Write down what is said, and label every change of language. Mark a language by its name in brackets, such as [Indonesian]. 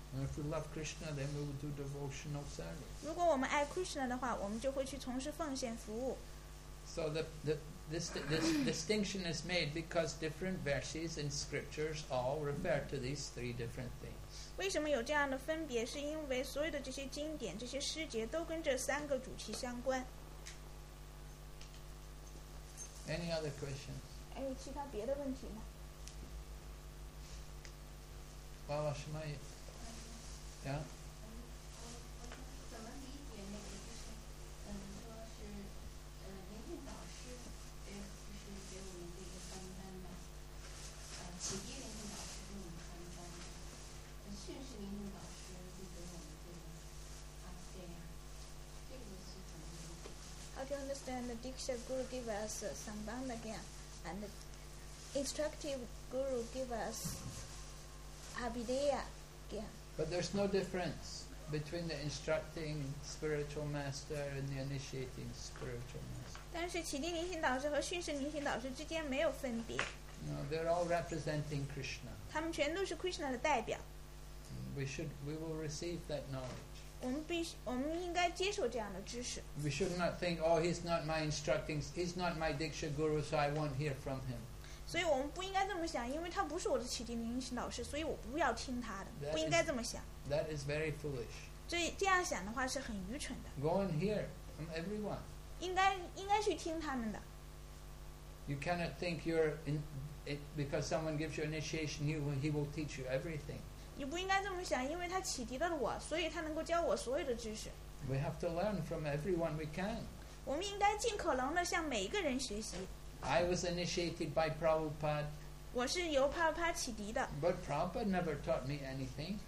[English] If we love Krishna, then we will do devotional service. [Chinese] 如果我们爱 Krishna 的话，我们就会去从事奉献服务。 [English] So this distinction is made because different verses in scriptures all refer to these three different things. [Chinese] 为什么有这样的分别？是因为所有的这些经典、这些诗节都跟这三个主题相关。 [English] Any other questions? [Chinese] 还有其他别的问题吗？ [English] Bala Shmai. Yeah? How do you understand the Diksha Guru give us Sambandha Gyan and the instructive Guru give us Abhideya Gyan? But there's no difference between the instructing spiritual master and the initiating spiritual master. [Chinese] 但是启迪灵性导师和训示灵性导师之间没有分别。 [English] No, they're all representing Krishna. [Chinese] 他们全都是 Krishna 的代表。 [English] We will receive that knowledge. [Chinese] 我们应该接受这样的知识。 [English] We should not think, oh, he's not my instructing, he's not my Diksha Guru, so I won't hear from him. [Chinese] 所以我们不应该这么想，因为他不是我的启迪灵性导师，所以我不要听他的，不应该这么想。 [English] That is very foolish. [Chinese] 这样想的话是很愚蠢的。 [English] Go and hear from everyone. [Chinese] 应该去听他们的。 [English] You cannot think you're in it because someone gives you initiation, he will teach you everything. [Chinese] 你不应该这么想，因为他启迪了我，所以他能够教我所有的知识。 [English] We have to learn from everyone we can. [Chinese] 我们应该尽可能的向每一个人学习。 [English] I was initiated by Prabhupada. [Chinese] 我是由 Prabhupada 启迪的。 [English] But Prabhupada never taught me anything.